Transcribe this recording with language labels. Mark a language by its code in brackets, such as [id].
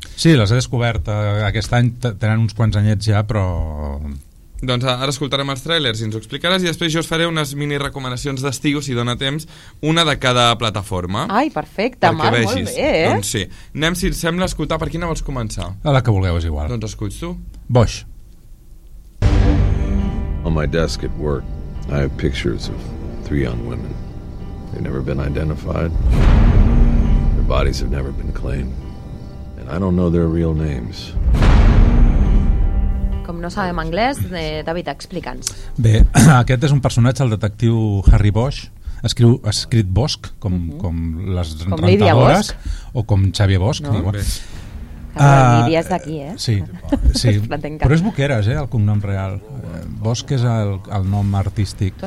[ca] Sí, les he descobert aquest any, tenen uns quants anyets ja, però... Doncs ara escoltarem els tràilers i ens ho explicaràs i després jo us faré unes mini recomanacions d'estiu, si dona temps, una de cada plataforma. Ai, perfecte, Marc, molt bé, Doncs sí. Anem, si et sembla, a escoltar, per quina vols començar? A la que vulgueu, és igual. Doncs escolts tu. Boix. [en] On my desk at work, I have pictures of three young women. They've never been identified. Their bodies have never been claimed. And I don't know their real names. [ca] Com no sabem anglès, David, explica'ns. Bé, aquest és un personatge, el detectiu Harry Bosch. Escrit Bosch, com, com les com rentadores. Lídia Bosch. O com Xavier Bosch. No? La Lídia és d'aquí, eh? Sí, sí. Però és Boqueras, el cognom real. Bosch és el nom artístic.